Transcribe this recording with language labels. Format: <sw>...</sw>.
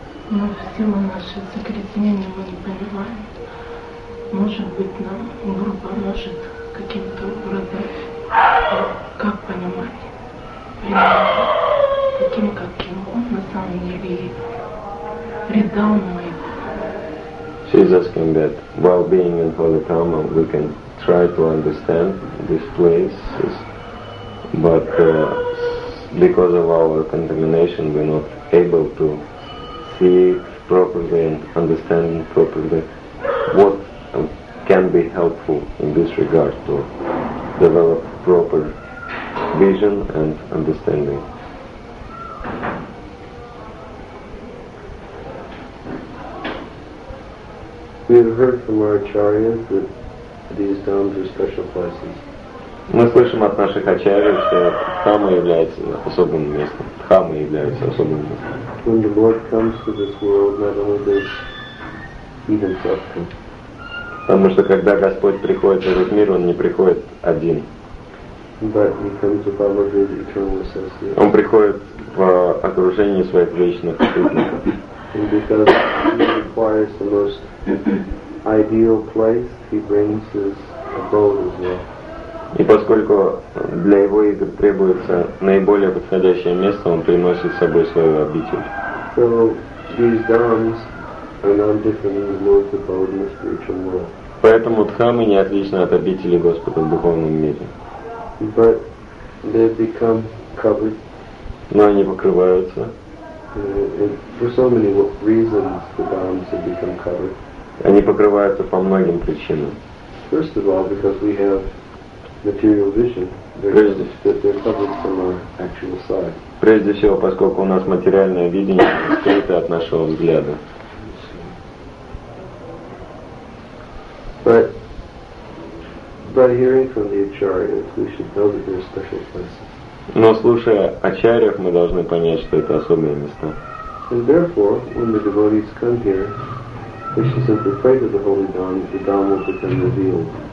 <ru>наше закрепление мы не понимаем. Может быть, нам Гуру поможет каким-то образом. Как понимать? Понимать таким, каким он на самом деле есть. Предал мой.</ru> <en>She's asking that while being in Holy Dhamma we can try to understand this place, but because of our contamination we're not able to see it properly and understand properly. What can be helpful in this regard to develop proper vision and understanding? We have heard from our acharyas that these dhammas are special places.</en> <ru>Мы слышим от наших ачарий, что дхамма является особым местом. Дхамма является особым местом.</ru> <en>When the Lord comes to this world, not only does He Himself come.</en> <ru>Потому что когда Господь приходит в этот мир, Он не приходит один.</ru> <en>But He comes with all of His eternal associates.</en> <ru>Он приходит в окружении своих вечных спутников.</ru> <en>And because He requires the most ideal place, He brings His abode as well.</en> <ru>И поскольку для его игр требуется наиболее подходящее место, он приносит с собой свою обитель.</ru> <en>So these dhammas are not different in the Lord's abode in the spiritual world.</en> <ru>Поэтому дхаммы не отличны от обители Господа в духовном мире.</ru> <en>But they become covered.</en> <ru>Но они покрываются.</ru> <en>For so many reasons the dhammas have become covered.</en> <ru>Они покрываются по многим причинам.</ru> <en>First of all, because we have material vision, they're covered from our actual sight.</en> <ru>Прежде всего, поскольку у нас материальное видение скрыто от нашего взгляда.</ru> <en>But by hearing from the acharyas, we should know that there are special places.</en> <ru>Но слушая ачарьев, мы должны понять, что это особые места.</ru> <en>And therefore, when the devotees come here, they should simply pray to the Holy Dhamma, the Dhamma will become revealed.</en>